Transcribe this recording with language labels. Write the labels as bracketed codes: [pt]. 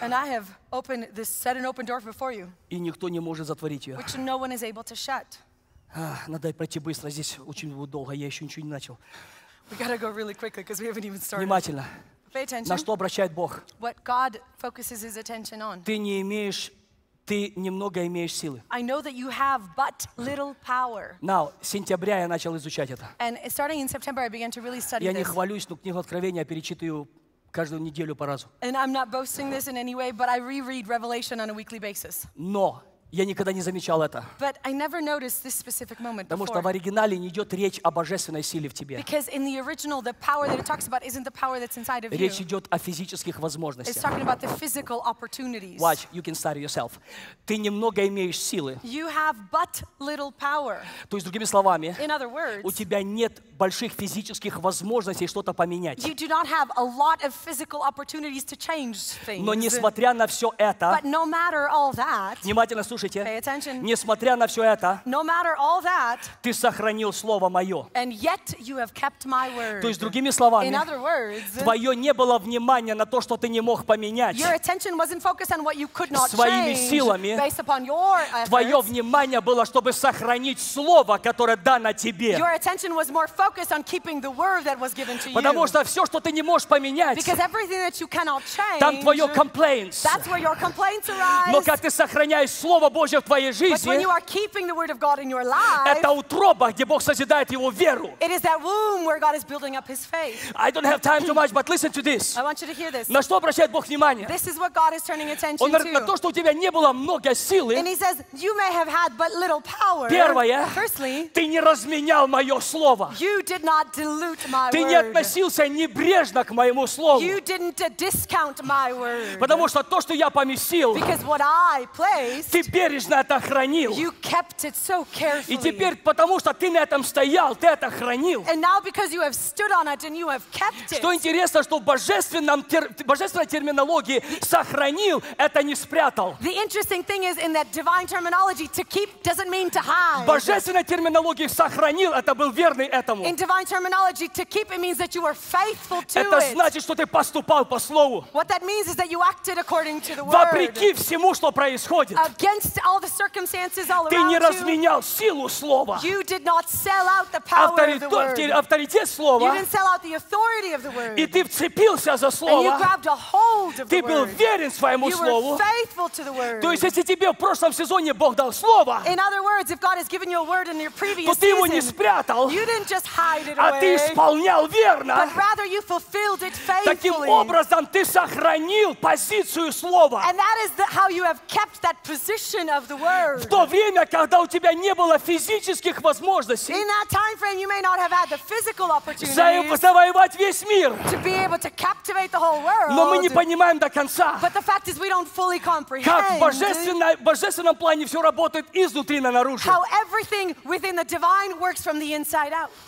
[en] And I have opened this, set an open door before you. [ru] И никто не может затворить ее. [en] Which no one is able to shut. [ru] Надо пройти быстро, здесь очень будет долго, я еще ничего не начал. [en] We gotta go really quickly because we haven't even started. [ru] Внимательно. [en] Pay attention. [ru] На что обращает Бог? [en] What God focuses his attention on. [ru] Ты не имеешь... Ты немного имеешь силы. [en] I know that you have but little power. [ru] Now, с сентября я начал изучать это. [en] And starting in September, I began to really study [ru] this. Я не хвалюсь, но книгу Откровения я перечитываю каждую неделю по разу. [en] And I'm not boasting this in any way, but I reread Revelation on a weekly basis. [ru] Но я никогда не замечал это. [en] But I never noticed this specific moment [ru] Потому [en] before. [ru] Что в оригинале не идет речь о божественной силе в тебе. [en] Because in the original, the power that it talks about isn't the power that's inside of [ru] речь [en] you. [ru] Речь идет о физических возможностях. [en] It's talking about the physical opportunities. Watch, you can study yourself. [ru] Ты немного имеешь силы. [en] You have but little power. [ru] То есть, другими словами, [en] in other words, [ru] у тебя нет больших физических возможностей что-то поменять. [en] You do not have a lot of physical opportunities to change things. [ru] Но несмотря на все это, [en] but no matter all that, [ru] внимательно слушайте, [en] pay attention. [ru] Несмотря на все это, [en] no matter all that, [ru] ты сохранил слово мое. [en] And yet you have kept my word. [ru] То есть, другими словами, [en] in other words, [ru] твое не было внимания на то, что ты не мог поменять. [en] Your attention wasn't focused on what you could not [ru] своими [en] change, [ru] силами. [en] Based upon your efforts. [ru] Твое внимание было, чтобы сохранить слово, которое дано тебе. [en] Your attention was more focused on keeping the word that was given to you. [ru] Потому что все, что ты не можешь поменять, [en] because everything that you cannot change, [ru] там твое complaints. [en] That's where your complaints arise. [ru] Но когда ты сохраняешь слово Божье в твоей жизни, [en] but when you are keeping the word of God in your life, [ru] это утроба, где Бог созидает его веру. [en] It is that womb where God is building up his faith. I don't have time too much, but listen to this. I want you to hear this. [ru] На что обращает Бог внимание? [en] This is what God is turning attention [ru] Он говорит, [en] to. [ru] На то, что у тебя не было много силы, [en] and he says, you may have had but little power. [ru] Первое, [en] firstly, [ru] ты не разменял мое слово. [en] You did not dilute my [ru] ты [en] word. [ru] Не относился небрежно к моему слову. [en] You didn't discount my word. [ru] Потому что то, что я поместил, [en] because what I placed, [ru] ты бережно это хранил. [en] You kept it so carefully. [ru] И теперь, потому что ты на этом стоял, ты это хранил. [en] And now because you have stood on it and you have kept it. [ru] Что интересно, что в божественной терминологии сохранил, это не спрятал. [en] The interesting thing is in that divine terminology, to keep doesn't mean to hide. [ru] В божественной терминологии сохранил, это был верный этап. [en] In divine terminology, to keep it means that you were faithful to [ru] это значит, [en] it. [ru] Что ты поступал по слову. [en] What that means is that you acted according to the word. [ru] Вопреки всему, что происходит. [en] Against all the circumstances all [ru] ты [en] around [ru] не разменял [en] you, [ru] силу слова. [en] You did not sell out the power of the word. [ru] Авторитет слова. [en] You didn't sell out the authority of the word. [ru] И ты вцепился за слово. [en] And you grabbed a hold of [ru] ты [en] the [ru] был [en] word. [ru] Верен своему [en] you [ru] слову. [en] Were faithful to the word. [ru] То есть, если тебе в прошлом сезоне Бог дал слово, [en] in other words, if God has given you a word in your previous [ru] то ты его не спрятал. [en] You didn't just hide it away, [ru] а ты исполнял верно. [en] But rather you fulfilled it faithfully. [ru] Таким образом, ты сохранил позицию слова. [en] And that is the, how you have kept that position of the word. [ru] В то время, когда у тебя не было физических возможностей, [en] in that time frame, you may not have had the physical [ru] opportunities завоевать весь мир. [en] To be able to captivate the whole world. [ru] Но мы не понимаем до конца, [en] but the fact is we don't fully comprehend, [ru] как в божественном плане все работает изнутри на наружу. [en] How everything within the divine works from the inside out.